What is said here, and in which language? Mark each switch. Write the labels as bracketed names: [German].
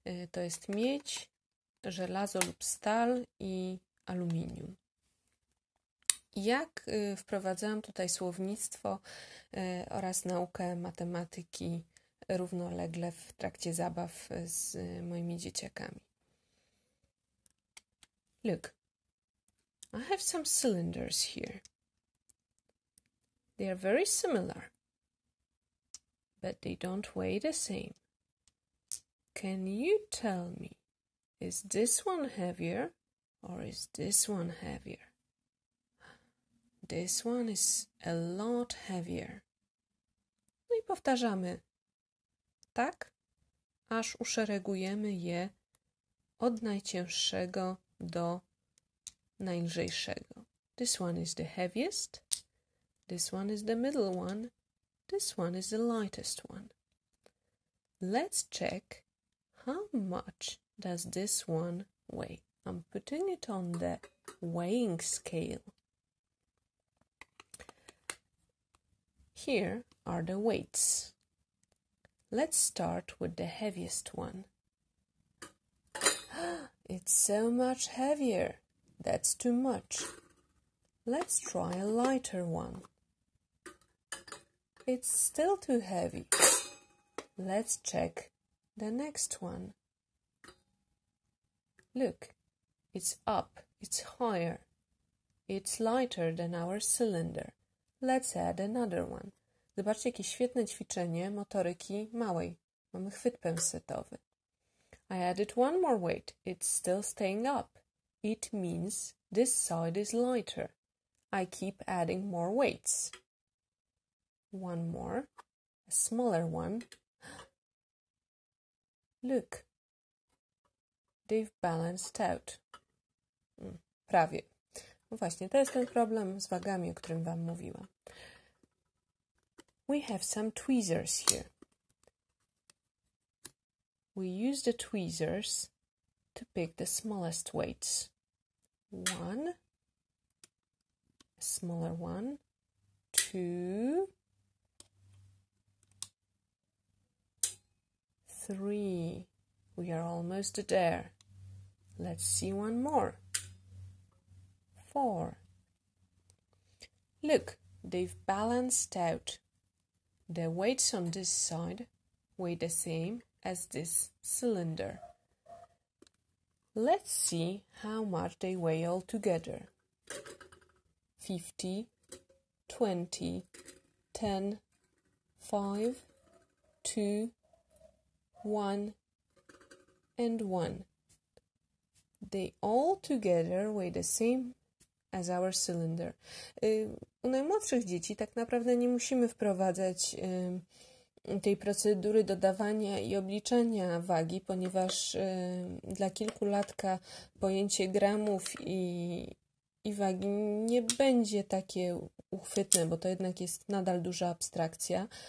[Polish] To jest miedź, żelazo lub stal i aluminium. Jak wprowadzałam tutaj słownictwo oraz naukę matematyki równolegle w trakcie zabaw z moimi dzieciakami. [English] Look, I have some cylinders here. They are very similar, but they don't weigh the same. Can you tell me, is this one heavier or is this one heavier? This one is a lot heavier. [Polish] No i powtarzamy tak, aż uszeregujemy je od najcięższego do najlżejszego. [English] This one is the heaviest. This one is the middle one. This one is the lightest one. Let's check how much does this one weigh. I'm putting it on the weighing scale. Here are the weights. Let's start with the heaviest one. It's so much heavier. That's too much. Let's try a lighter one. It's still too heavy. Let's check the next one. Look, it's up. It's higher. It's lighter than our cylinder. Let's add another one. [Polish] Zobaczcie, jakie świetne ćwiczenie motoryki małej. Mamy chwyt pęsetowy. [English] I added one more weight. It's still staying up. It means this side is lighter. I keep adding more weights. One more. A smaller one. Look, they've balanced out. [Polish] Prawie. No właśnie, to jest ten problem z wagami, o którym wam mówiłam. [English] We have some tweezers here. We use the tweezers to pick the smallest weights. One, a smaller one, two, three. We are almost there. Let's see one more. Four. Look, they've balanced out. The weights on this side weigh the same as this cylinder. Let's see how much they weigh all together. 50, 20, 10, 5, 2, 1, and 1. They all together weigh the same as our cylinder. [Polish] U najmłodszych dzieci tak naprawdę nie musimy wprowadzać tej procedury dodawania i obliczania wagi, ponieważ dla kilkulatka pojęcie gramów i wagi nie będzie takie uchwytne, bo to jednak jest nadal duża abstrakcja.